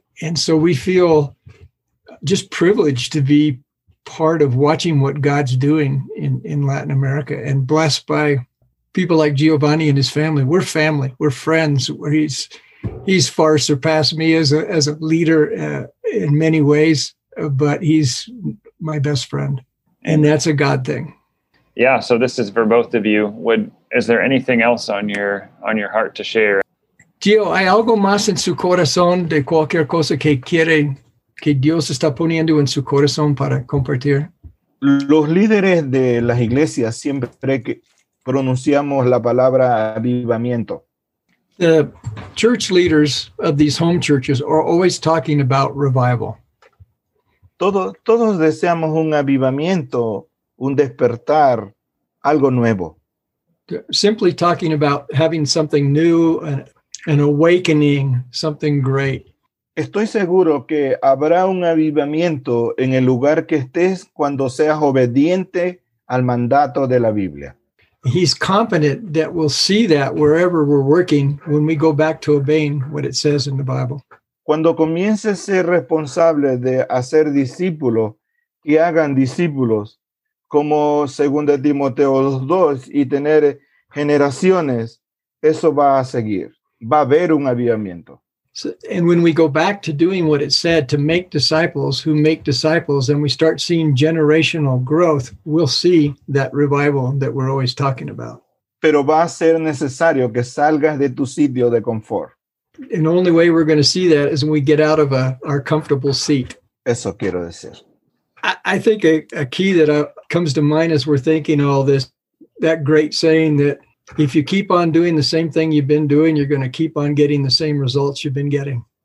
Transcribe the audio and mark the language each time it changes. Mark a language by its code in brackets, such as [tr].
[en] And so we feel just privileged to be part of watching what God's doing in Latin America and blessed by people like Giovanni and his family. We're family. We're friends. He's far surpassed me as a leader in many ways, but he's my best friend, and that's a God thing. Yeah. So this is for both of you. Is there anything else on your heart to share? [es] Gio, hay algo más en su corazón de cualquier cosa que quiere que Dios está poniendo en su corazón para compartir. Los líderes de las iglesias siempre que pronunciamos la palabra avivamiento. [en] The church leaders of these home churches are always talking about revival. [es] Todos deseamos un avivamiento, un despertar, algo nuevo. [en] Simply talking about having something new, an awakening, something great. [es] Estoy seguro que habrá un avivamiento en el lugar que estés cuando seas obediente al mandato de la Biblia. [en] He's confident that we'll see that wherever we're working when we go back to obeying what it says in the Bible. [es] Cuando comience a ser responsable de hacer discípulos y hagan discípulos, como 2 Timoteo 2, y tener generaciones, eso va a seguir. Va a haber un avivamiento. [en] So, and when we go back to doing what it said, to make disciples who make disciples, and we start seeing generational growth, we'll see that revival that we're always talking about. [es] Pero va a ser necesario que salgas de tu sitio de confort. [en] And the only way we're going to see that is when we get out of our comfortable seat. [es] Eso quiero decir. [en] I think a key that comes to mind as we're thinking all this, that great saying that, if you keep on doing the same thing you've been doing, you're going to keep on getting the same results you've been getting.